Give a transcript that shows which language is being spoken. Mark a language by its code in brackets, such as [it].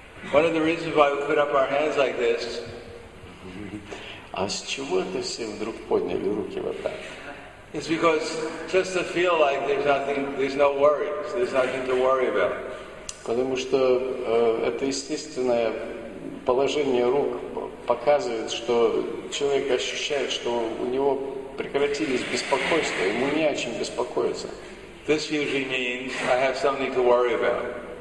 [en] One of the reasons why we put up our hands like this. [ru] А с чего это все вдруг подняли руки вот так? [en] It's because just to feel like there's nothing, there's no worries, there's nothing to worry about. [ru] Потому что это естественное положение рук показывает, что человек ощущает, что у него прекратились беспокойства, ему не о чем беспокоиться. [en] This usually means I have something to worry about.